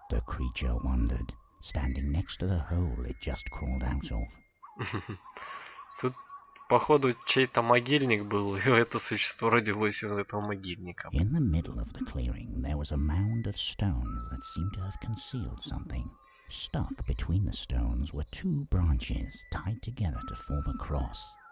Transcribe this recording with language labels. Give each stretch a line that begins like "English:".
English: The creature wondered, standing next to the hole it just crawled out of.
Russian: Тут, походу, чей-то могильник был, и это существо родилось из этого могильника.
English: In the middle of the clearing, there was a mound of stones that seemed to have concealed something. Stuck between the stones were two branches tied together to form a cross.